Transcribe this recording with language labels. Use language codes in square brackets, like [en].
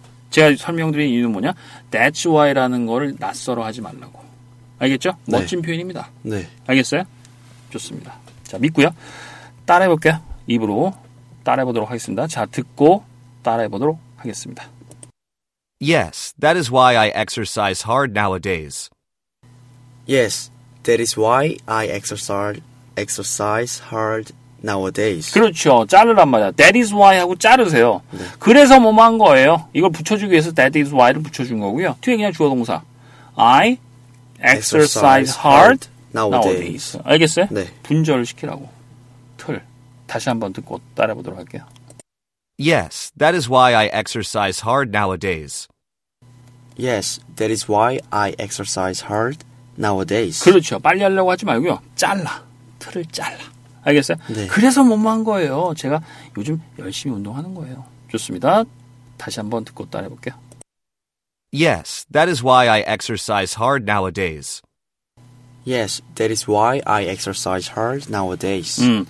[ko] 제가 설명드린 이유는 뭐냐? That's why라는 거를 낯설어 하지 말라고. 알겠죠? 네. 멋진 표현입니다. 네. 알겠어요? 좋습니다. 자, 믿고요. 따라해볼게요. 입으로 따라해보도록 하겠습니다. 자, 듣고 따라해보도록 하겠습니다. [en] Yes, that is why I exercise hard nowadays. Yes, that is why I exercise hard nowadays. [ko] 그렇죠. 자르란 말이야. [en] That is why [ko] 하고 자르세요. 네. 그래서 뭐뭐 한 거예요. 이걸 붙여주기 위해서 [en] that is why [ko] 를 붙여준 거고요. 뒤에 그냥 주어 동사. [en] I exercise hard nowadays. [ko] 알겠어요? 네. 분절을 시키라고. 틀. 다시 한번 듣고 따라해 보도록 할게요. [en] Yes, that is why I exercise hard nowadays. Yes, that is why I exercise hard nowadays. [ko] 그렇죠. 빨리 하려고 하지 말고요. 잘라. 틀을 잘라. 알겠어요? 네. 그래서 뭐뭐한 거예요. 제가 요즘 열심히 운동하는 거예요. 좋습니다. 다시 한번 듣고 따라해볼게요. [en] Yes, that is why I exercise hard nowadays. Yes, that is why I exercise hard nowadays.